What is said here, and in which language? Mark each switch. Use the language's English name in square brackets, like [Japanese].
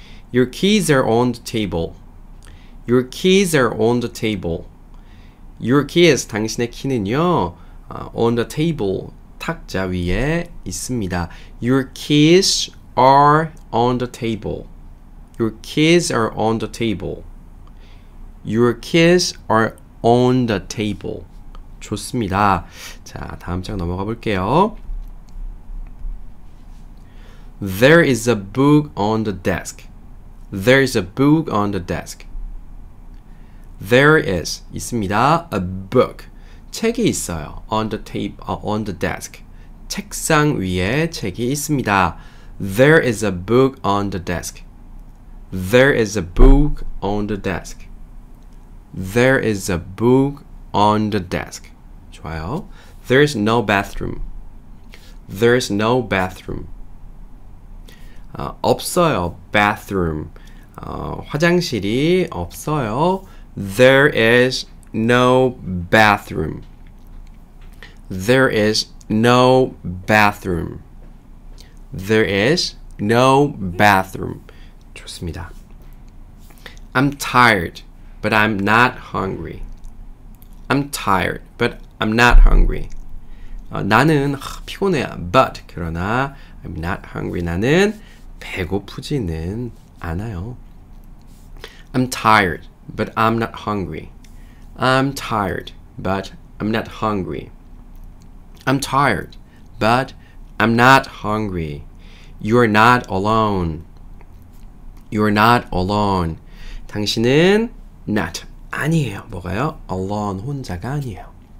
[English] Your keys are on the table. Your keys are on the table. Your keys, [Korean] 당신의 키는요, [English] on the table, [Korean] 탁자 위에 있습니다. [English] Your keys are on the table. Your keys are on the table. Your keys are on the table. [Korean] 좋습니다. 자, 다음 장 넘어가 볼게요. [English] There is a book on the desk. There is a book on the desk. There is, [Korean] 있습니다. [English] A book. [Korean] 책이 있어요. [English] On the table, on the desk. [Korean] 책상 위에 책이 있습니다. [English] There is a book on the desk. There is a book on the desk. There is a book on the desk. [Korean] 좋아요. [English] There is no bathroom. There is no bathroom. [Korean] 없어요. Bathroom. 화장실이 없어요. [English] There is no bathroom. There is no bathroom. There is no bathroom. [Korean] 좋습니다. [English] I'm tired, but I'm not hungry. I'm tired, but I'm not hungry. [Korean] 나는 피곤해, [English] but [Korean] 그러나 [English] I'm not hungry. [Korean] 나는 배고프지는 않아요. [English] I'm tired, but I'm not hungry. I'm tired, but I'm not hungry. I'm tired, but I'm not hungry. You're not alone. You're not alone. [Korean] 당신은 not 아니에요. 뭐가요? Alone, 혼자가 아니에요.